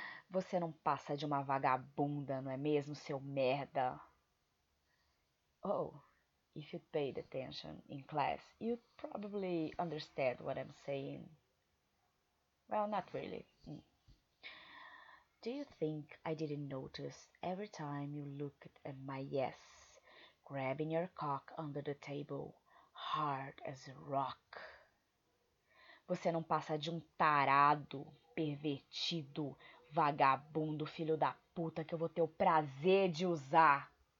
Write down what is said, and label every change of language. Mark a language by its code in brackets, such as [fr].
[pt] Você não passa de uma vagabunda, não é mesmo, seu merda? [en] Oh, if you paid attention in class, you'd probably understand what I'm saying. Well, not really. Do you think I didn't notice every time you looked at my ass, grabbing your cock under the table, hard as a rock? [pt] Você não passa de um tarado, pervertido, vagabundo, filho da puta que eu vou ter o prazer de usar.